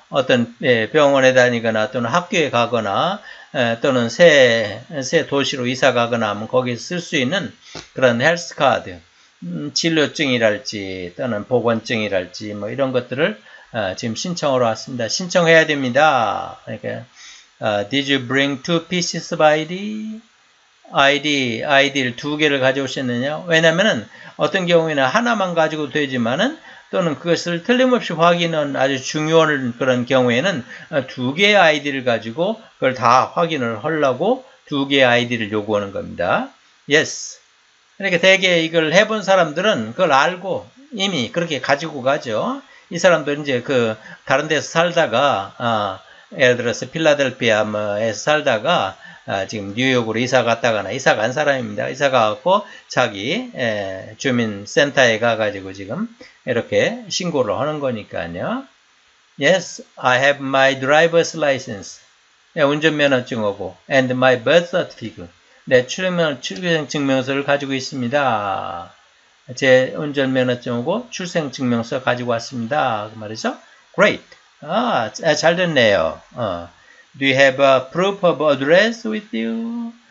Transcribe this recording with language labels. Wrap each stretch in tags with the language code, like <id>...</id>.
<ko>어떤 병원에 다니거나 또는 학교에 가거나 또는 새 도시로 이사 가거나 하면 거기서 쓸 수 있는 그런 헬스 카드 진료증이랄지 또는 보건증이랄지 뭐 이런 것들을 지금 신청으로 왔습니다. 신청해야 됩니다. 그러니까</ko> <en>Did you bring two pieces of ID?</en> <ko>ID를 두 개를 가져오셨느냐? 왜냐면은 어떤 경우에는 하나만 가지고 되지만은 또는 그것을 틀림없이 확인은 아주 중요한 그런 경우에는 두 개의 아이디를 가지고 그걸 다 확인을 하려고 두 개의 아이디를 요구하는 겁니다.</ko> <en>Yes.</en> <ko>그러니까 대개 이걸 해본 사람들은 그걸 알고 이미 그렇게 가지고 가죠. 이 사람도 이제 그 다른 데서 살다가 예를 들어서 필라델피아에서 살다가 지금 뉴욕으로 이사 갔다거나 이사 간 사람입니다. 이사 가고 자기 주민센터에 가가지고 지금 이렇게 신고를 하는 거니까요.</ko> <en>Yes, I have my driver's license.</en> <ko>네, 운전면허증하고</ko> <en>and my birth certificate.</en> <ko>내 출생증명서를 가지고 있습니다. 제 운전면허증하고 출생증명서 가지고 왔습니다. 그 말이죠.</ko> <en>Great.</en> <ko>아, 잘 됐네요.</ko> <en>Do you have a proof of address with you?</en>